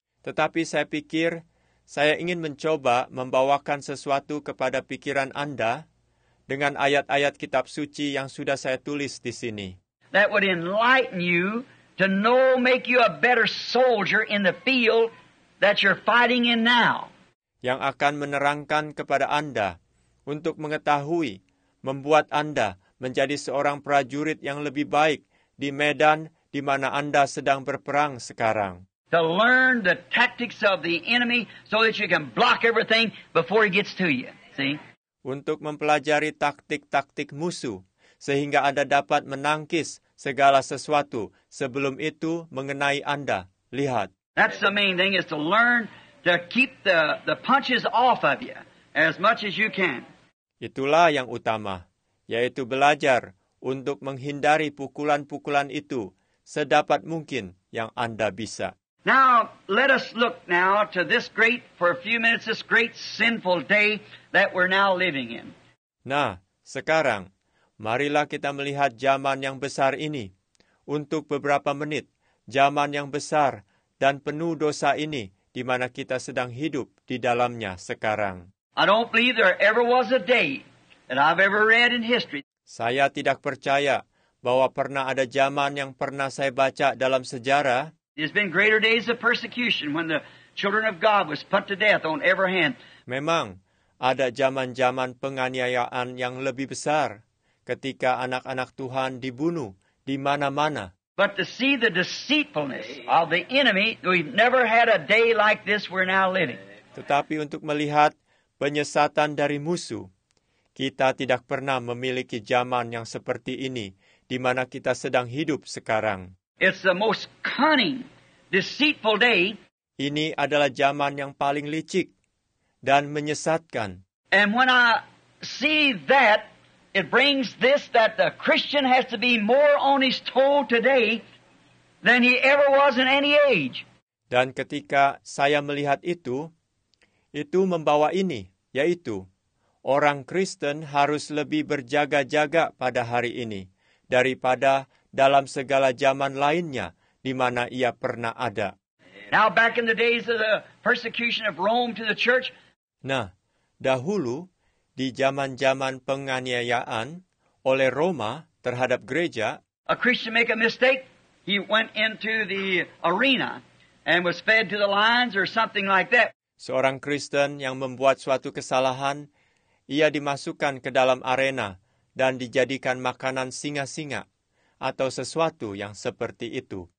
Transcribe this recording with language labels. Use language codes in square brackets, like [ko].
[id] Tetapi saya pikir saya ingin mencoba membawakan sesuatu kepada pikiran Anda dengan ayat-ayat kitab suci yang sudah saya tulis di sini. [en] That would enlighten you. To know, make you a better soldier in the field that you're fighting in now. [id] Yang akan menerangkan kepada Anda untuk mengetahui, membuat Anda menjadi seorang prajurit yang lebih baik di medan di mana Anda sedang berperang sekarang. [en] To learn the tactics of the enemy so that you can block everything before he gets to you. See? [id] Untuk mempelajari taktik-taktik musuh sehingga Anda dapat menangkis segala sesuatu sebelum itu mengenai Anda. Lihat. [en] That's the main thing is to learn to keep the punches off of you as much as you can. [id] Itulah yang utama, yaitu belajar untuk menghindari pukulan-pukulan itu sedapat mungkin yang Anda bisa. [en] Now, let us look now to this great, for a few minutes, this great sinful day that we're now living in. [id] Nah, sekarang, Marilah kita melihat zaman yang besar ini. Untuk beberapa menit, zaman yang besar dan penuh dosa ini, di mana kita sedang hidup di dalamnya sekarang. [en] I don't believe there ever was a day that I've ever read in history. [id] Saya tidak percaya bahwa pernah ada zaman yang pernah saya baca dalam sejarah. [en] There's been greater days of persecution when the children of God was put to death on every hand. [id] Memang ada zaman-zaman penganiayaan yang lebih besar ketika anak-anak Tuhan dibunuh di mana-mana. [en] But to see the deceitfulness of the enemy, we've never had a day like this we're now living. [id] Tetapi untuk melihat penyesatan dari musuh, kita tidak pernah memiliki zaman yang seperti ini di mana kita sedang hidup sekarang. [en] It's the most cunning, deceitful day. [id] Ini adalah zaman yang paling licik dan menyesatkan. [en] And when I see that, it brings this that the Christian has to be more on his toe today than he ever was in any age. [id] Dan ketika saya melihat itu, itu membawa ini, yaitu orang Kristen harus lebih berjaga-jaga pada hari ini daripada dalam segala zaman lainnya di mana ia pernah ada. [en] Now back in the days of the persecution of Rome to the church. [id] Nah, dahulu di zaman-zaman penganiayaan oleh Roma terhadap gereja, [en] a Christian make a mistake, he went into the arena and was fed to the lions or something like that. [id] Seorang Kristen yang membuat suatu kesalahan, ia dimasukkan ke dalam arena dan dijadikan makanan singa-singa atau sesuatu yang seperti itu.